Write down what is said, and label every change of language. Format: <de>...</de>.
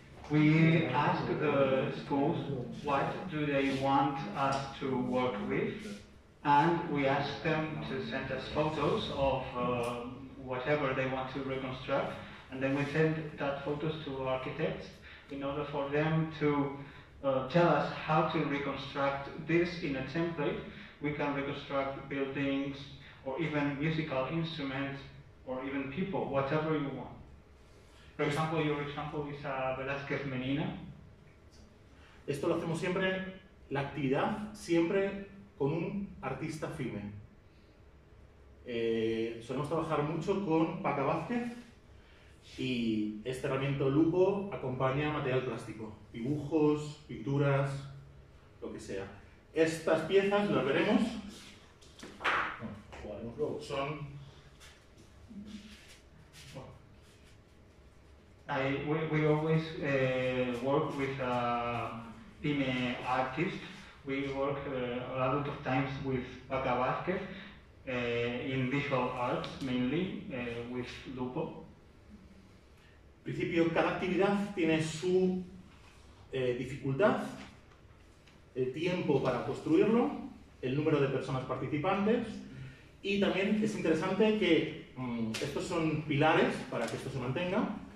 <en>We ask the schools what do they want us to work with, and we ask them to send us photos of whatever they want to reconstruct, and then we send that photos to architects in order for them to tell us how to reconstruct this in a template. We can reconstruct buildings or even musical instruments or even people, whatever you want. For example, your example is a Velázquez menina.</en> <es>Esto lo hacemos siempre, la actividad, siempre con un artista FIME. Solemos trabajar mucho con Paca Vázquez y este herramienta Lupo acompaña material plástico, dibujos, pinturas, lo que sea. Estas piezas las veremos. Jugaremos luego. Son.</es> <en>We always work with a PyME artist. We work a lot of times with Paca Vázquez in visual arts, mainly with Lupo.</en> <es>En principio, cada actividad tiene su dificultad, el tiempo para construirlo, el número de personas participantes, y también es interesante que estos son pilares para que esto se mantenga.</es>